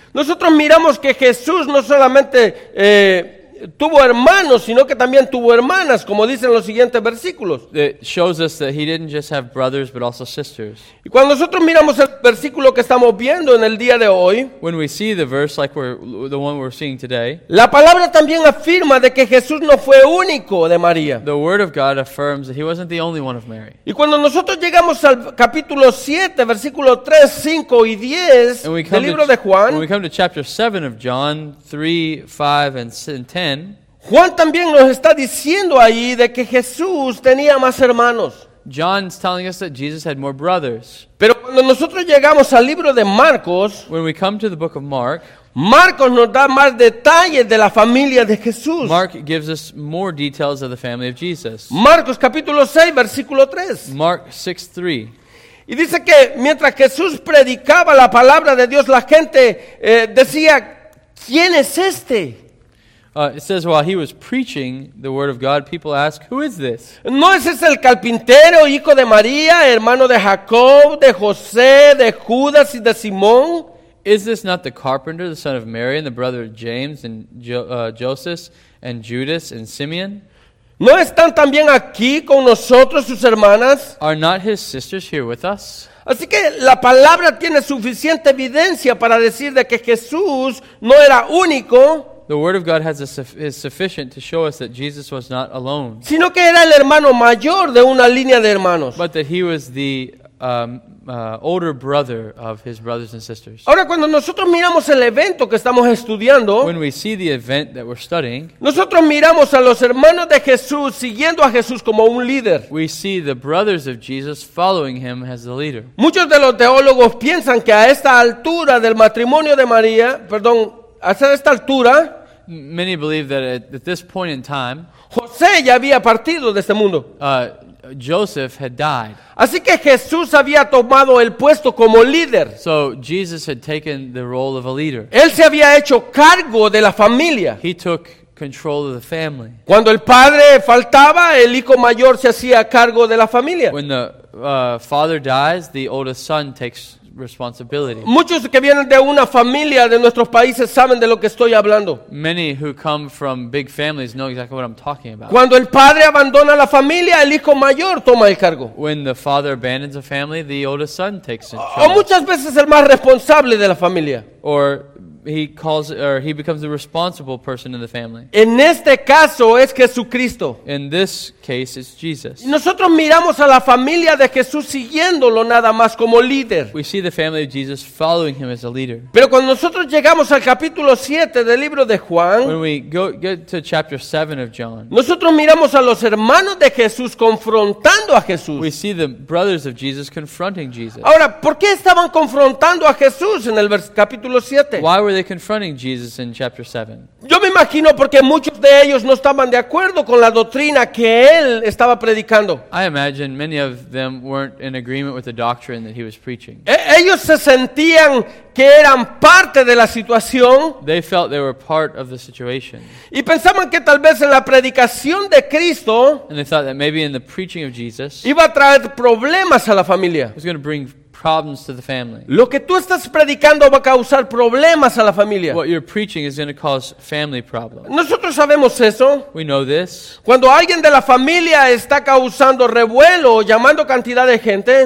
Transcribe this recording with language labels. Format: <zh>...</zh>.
<es>nosotros miramos que Jesús no solamente tuvo hermanos, sino que también tuvo hermanas, como dicen los siguientes versículos.</es> <en>It shows us that he didn't just have brothers, but also sisters.</en> <es>Y cuando nosotros miramos el versículo que estamos viendo en el día de hoy,</es> <en>when we see the verse like we're, the one we're seeing today,</en> <es>la palabra también afirma de que Jesús no fue único de María.</es> <en>The word of God affirms that he wasn't the only one of Mary.</en> <es>Y cuando nosotros llegamos al capítulo 7, versículo 3, 5 y 10 del libro de Juan,</es> <en>when we come to chapter 7 of John, 3, 5 and 10,</en> <es>Juan también nos está diciendo ahí de que Jesús tenía más hermanos.</es> <en>John's telling us that Jesus had more brothers.</en> <es>Pero cuando nosotros llegamos al libro de Marcos,</es> <en>when we come to the book of Mark,</en> <es>Marcos nos da más detalles de la familia de Jesús.</es> <en>Mark gives us more details of the family of Jesus.</en> <es>Marcos capítulo 6, versículo 3.</es> <en>Mark 6, 3.</en> <es>Y dice que mientras Jesús predicaba la palabra de Dios, la gente decía, ¿quién es este?</es> <en>It says while he was preaching the word of God, people ask, who is this?</en> <es>¿No es ese el carpintero, hijo de María, hermano de Jacob, de José, de Judas y de Simón?</es> <en>Is this not the carpenter, the son of Mary, and the brother of James, and Joseph, and Judas, and Simeon?</en> <es>¿No están también aquí con nosotros sus hermanas?</es> <en>Are not his sisters here with us?</en> <es>Así que la palabra tiene suficiente evidencia para decir de que Jesús no era único.</es> <en>The word of God has is sufficient to show us that Jesus was not alone.</en> <es>Sino que era el hermano mayor de una línea de hermanos.</es> <en>But that he was the older brother of his brothers and sisters.</en> <es>Ahora cuando nosotros miramos el evento que estamos estudiando,</es> <en>when we see the event that we're studying,</en> <es>nosotros miramos a los hermanos de Jesús siguiendo a Jesús como un líder.</es> <en>We see the brothers of Jesus following him as the leader.</en> <es>Muchos de los teólogos piensan que a esta altura del matrimonio de María, perdón, hasta esta altura,</es> <en>many believe that at this point in time,</en> <es>José ya había partido de este mundo.</es> <en>Joseph had died.</en> <es>Así que Jesús había tomado el puesto como líder.</es> <en>So Jesus had taken the role of a leader.</en> <es>Él se había hecho cargo de la familia.</es> <en>He took control of the family.</en> <es>Cuando el padre faltaba, el hijo mayor se hacía cargo de la familia.</es> <en>When the father dies, the oldest son takes responsibility.</en> <es>Muchos que vienen de una familia de nuestros países saben de lo que estoy hablando.</es> <en>Many who come from big families know exactly what I'm talking about.</en> <es>Cuando el padre abandona la familia, el hijo mayor toma el cargo.</es> <en>When the father abandons a family, the oldest son takes it.</en> <es>O muchas veces el más responsable de la familia.</es> <en>Or he calls, or he becomes the responsible person in the family.</en> <es>En este caso es Jesucristo.</es> <en>In this case, it's Jesus.</en> <es>Nosotros miramos a la familia de Jesús siguiéndolo nada más como líder.</es> <en>We see the family of Jesus following him as a leader.</en> <es>Pero cuando nosotros llegamos al capítulo 7 del libro de Juan,</es> <en>when we get to chapter 7 of John,</en> <es>nosotros miramos a los hermanos de Jesús confrontando a Jesús.</es> <en>We see the brothers of Jesus confronting Jesus.</en> <es>Ahora, ¿por qué estaban confrontando a Jesús en el capítulo 7?</es> <en>Why were they confronting Jesus in chapter 7?</en> <es>Yo me imagino porque muchos de ellos no estaban de acuerdo con la doctrina que él estaba predicando.</es> <en>I imagine many of them weren't in agreement with the doctrine that he was preaching.</en> <es>Ellos se sentían que eran parte de la situación.</es> <en>They felt they were part of the situation.</en> <es>Y pensaban que tal vez en la predicación de Cristo,</es> <en>and they thought that maybe in the preaching of Jesus,</en> <es>iba a traer problemas a la familia.</es> <en>It was going to bring problems to the family.</en> <es>Lo que tú estás predicando va a causar problemas a la familia.</es> <en>What you're preaching is going to cause family problems.</en> <es>Nosotros sabemos eso.</es> <en>We know this.</en> <es>Cuando alguien de la familia está causando revuelo, llamando cantidad de gente,</es>